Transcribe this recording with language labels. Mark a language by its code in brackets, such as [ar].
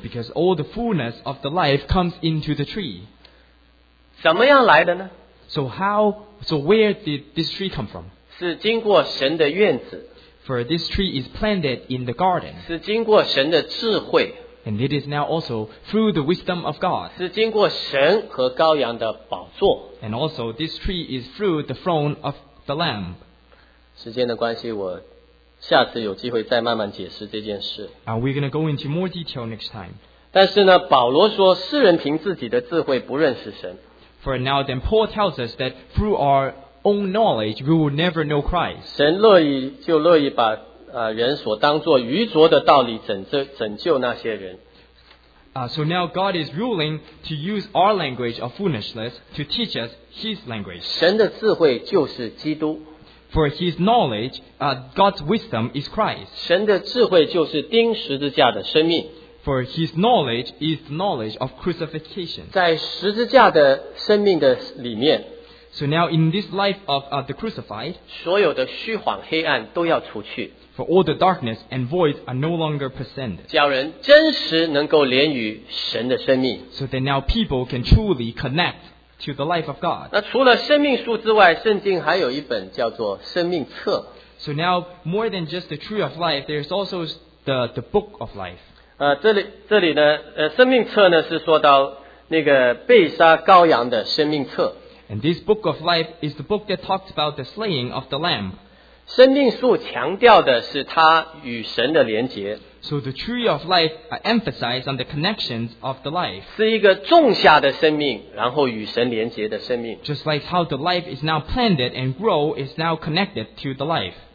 [en] Because all the fullness of the life comes into the tree. [zh] 怎么样来的呢? [en] So where did this tree come from? [zh] 是经过神的院子。 [en] For this tree is planted in the garden. [zh] 是经过神的智慧。 [en] And it is now also through the wisdom of God. [zh] 是经过神和羔羊的宝座。 [en] And also this tree is through the throne of the Lamb. [zh] 时间的关系, 下次有机会再慢慢解释这件事。 [en] We're going to go into more detail next time. [zh] 但是呢, 保罗说, 世人凭自己的智慧, 不认识神。 [en] For now then, Paul tells us that through our own knowledge, we will never know Christ. [zh] 神乐意就乐意把, 人所当作愚拙的道理拯救那些人。 [en] So now God is willing to use our language of foolishness to teach us His language. [zh] 神的智慧就是基督。 [en] For His knowledge, God's wisdom is Christ. [zh] 神的智慧就是钉十字架的生命。 [en] For His knowledge is the knowledge of crucifixion. [zh] 在十字架的生命的里面。 [en] So now in this life of the crucified, [zh] 所有的虚谎黑暗都要除去。 [en] For all the darkness and void are no longer present. [zh] 叫人真实能够连于神的生命。 [en] So that now people can truly connect to the life of God. [zh] 那除了生命树之外, 圣经还有一本叫做生命册。 [en] So now, more than just the tree of life, there's also the book of life. [zh] 这里呢, 生命册呢, 是说到那个被杀羔羊的生命册。 [en] And this book of life is the book that talks about the slaying of the lamb. [zh] 生命树强调的是它与神的连结。 [en] So the tree of life emphasizes on the connections of the life. [zh] 是一个种下的生命,然后与神连接的生命。 [en] Just like how the life is now planted and grow, is now connected to the life.